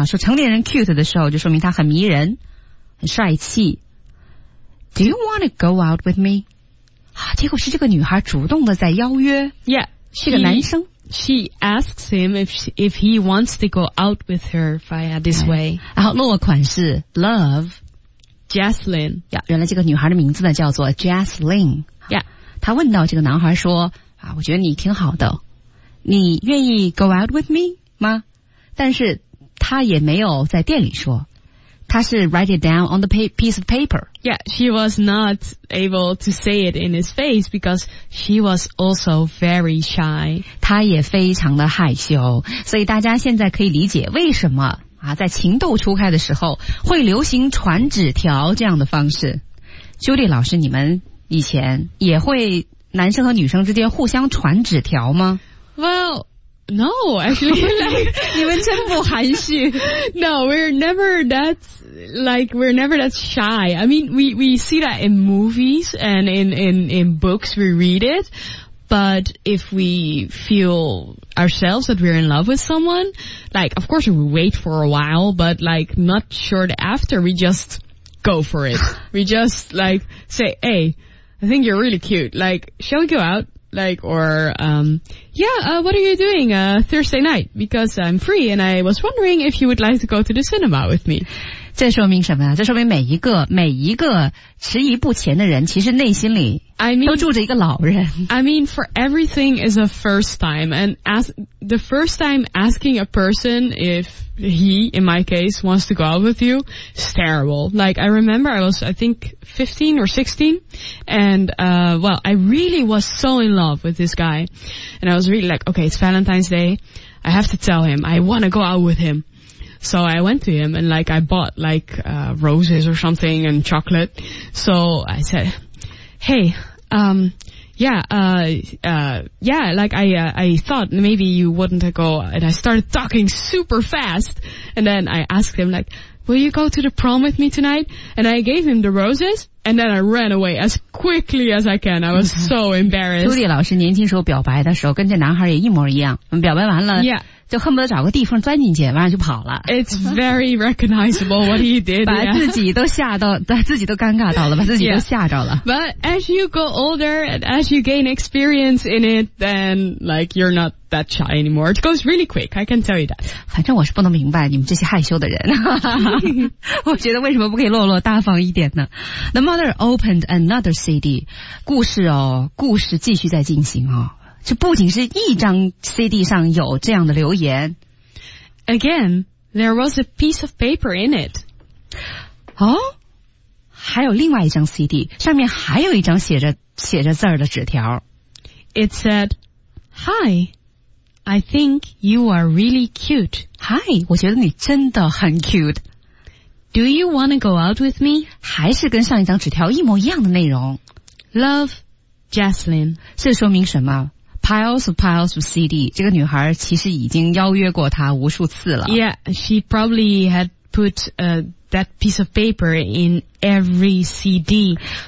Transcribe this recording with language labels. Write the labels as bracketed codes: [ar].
[zh] 啊，说成年人 cute 的时候，就说明他很迷人，很帅气。 [en] Do you want to go out with me? [zh] 啊，结果是这个女孩主动的在邀约。 [en] Yeah. [zh] 是个男生。 [en] She asks him if he wants to go out with her via this way. [zh] 然后落款是 love, [en] Jaslyn. [zh] Yeah, 原来这个女孩的名字呢叫做 Jaslyn. [en] Yeah. [zh] 他问到这个男孩说啊，我觉得你挺好的，你愿意 [en] go out with me [zh] 吗？但是他也没有在店里说，他是 [en] write it down on the piece of paper. Yeah, she was not able to say it in his face because she was also very shy. [zh] 他也非常的害羞，所以大家现在可以理解为什么啊，在情窦初开的时候会流行传纸条这样的方式。 Judy 老师，你们以前也会男生和女生之间互相传纸条吗？ [en] Well, no, actually, [zh] like, 你们真不含蓄。 [en] No, we're never that shy. I mean, we see that in movies and in books, we read it. But if we feel ourselves that we're in love with someone, like, of course we wait for a while, but like, not short after, we just go for it. We just like, say, hey, I think you're really cute. Like, shall we go out? Like, or, what are you doing, Thursday night? Because I'm free and I was wondering if you would like to go to the cinema with me. [zh] 这说明什么呀？这说明每一个迟疑不前的人，其实内心里都住着一个老人。 [en] I mean, for everything is a first time, and the first time asking a person if he, in my case, wants to go out with you, is terrible. Like, I remember I was, I think, 15 or 16, and, well, I really was so in love with this guy, and I was really like, okay, it's Valentine's Day, I have to tell him, I want to go out with him. So I went to him and like I bought like, roses or something and chocolate. So I said, hey, I thought maybe you wouldn't go. And I started talking super fast. And then I asked him like, will you go to the prom with me tonight? And I gave him the roses. And then I ran away as quickly as I can. I was so embarrassed. [zh] Judy 老师年轻时候表白的时候跟这男孩也一模一样。表白完了、 [en] yeah. [zh] 就恨不得找个地缝钻进去，完了就跑了。 [en] It's very recognizable what he did. [zh] 把自己都吓到，自己都尴尬到了，把自己都吓着了。 [en] Yeah. But as you go older and as you gain experience in it, then like you're not that shy anymore. It goes really quick, I can tell you that. [zh] 反正我是不能明白你们这些害羞的人。我觉得为什么不可以落落大方一点呢？ [en] The mother opened another CD. [zh] 故事哦，故事继续在进行哦。这不仅是一张 CD 上有这样的留言。 [en] Again, there was a piece of paper in it. [zh] 哦，还有另外一张 CD, 上面还有一张写着字儿的纸条。 [en] It said, Hi, I think you are really cute. [zh] Hi, 我觉得你真的很 cute. [en] Do you want to go out with me? [zh] 还是跟上一张纸条一模一样的内容。 [en] Love, Jaslyn. [zh] 这说明什么？ [en] Piles of piles of CD. [zh] 这个女孩其实已经邀约过她无数次了。 [en] Yeah, she probably had put that piece of paper in every CD.